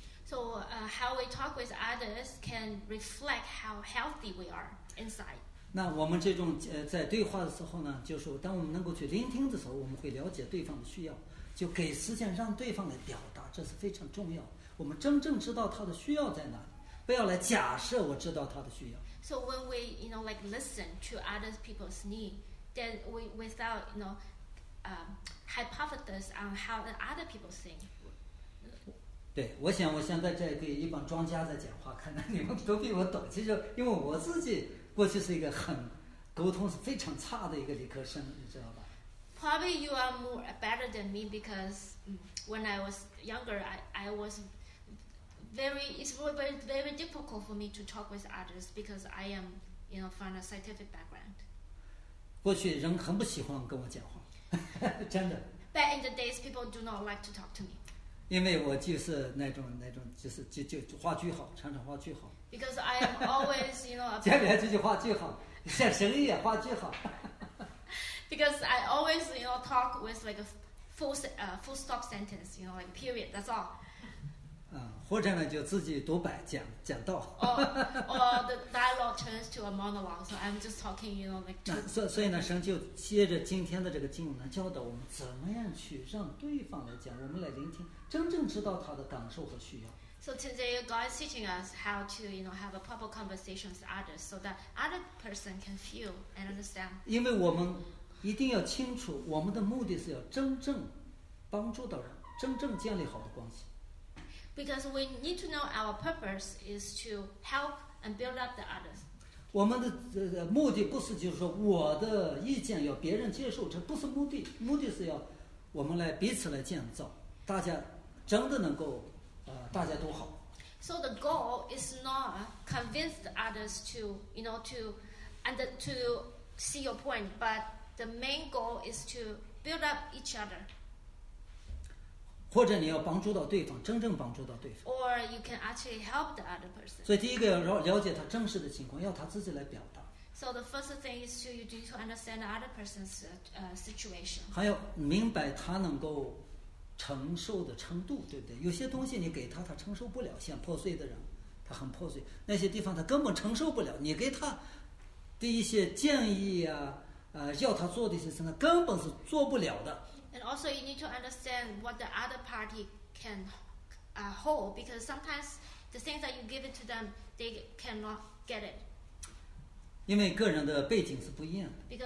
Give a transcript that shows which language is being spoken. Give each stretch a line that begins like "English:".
English: So how we talk with others can reflect how healthy we are inside.
Chinese: 那我们这种在对话的时候呢，就是当我们能够去聆听的时候，我们会了解对方的需要，就给时间让对方来表达，这是非常重要。我们真正知道他的需要在哪里。不要来假设我知道他的需要。
English: So when we, you know, like listen to other people's need, then we without, you know, hypothesis on how the other people think.
Chinese: 对，我现在在给一帮庄家在讲话，看来你们都比我懂。其实因为我自己过去是一个很沟通是非常差的一个理科生，你知道吧
English: ？Probably you are more better than me because when I was younger, I was. It's very difficult for me to talk with others because I am, you know, from a scientific background.
Chinese: 过去人很不喜欢跟我讲话，真的。
English: Back in the days, people do not like to talk to me.
Chinese: 因为我就是那种就是就画句号，常常画句号。
English: Because I am always, you know,
Chinese: 家里就画句号，像神一样画句号。
English: Because I always, you know, talk with like a full stop sentence, you know, like period. That's all.
Chinese: 或者呢，就自己独白讲道。
English: Or the dialogue turns to a monologue, so I'm just talking, you know, like.
Chinese: 所以呢，神就接着今天的这个经文呢，教导我们怎么样去让对方来讲，我们来聆听，真正知道他的感受和需要。
English: So today, God is teaching us how to, you know, have a proper conversation with others, so that other person can feel and understand.
Chinese: 因为我们一定要清楚，我们的目的是要真正帮助到人，真正建立好的关系。
English: Because we need to know our purpose is to help and build up the others.
Chinese: 我们的目的不是就是说我的意见要别人接受，这不是目的。目的是要我们来彼此来建造，大家真的能够大家都好。
English: So the goal is not convince the others to, you know, to and to see your point, but the main goal is to build up each other.
Chinese: 或者你要帮助到对方，真正帮助到对方。
English: Or you can actually help the other person.
Chinese: 所以第一个要了解他真实的情况，要他自己来表达。
English: So the first thing is to you do to understand the other person's situation.
Chinese: 还有明白他能够承受的程度，对不对？有些东西你给他，他承受不了，像破碎的人，他很破碎；那些地方他根本承受不了，你给他的一些建议啊，要他做的一些事，他根本是做不了的。
English: And also, you need to understand what the other party can hold, because sometimes the things that you give it to them, they cannot get it.
Chinese: 因为个人的背景是不一样的。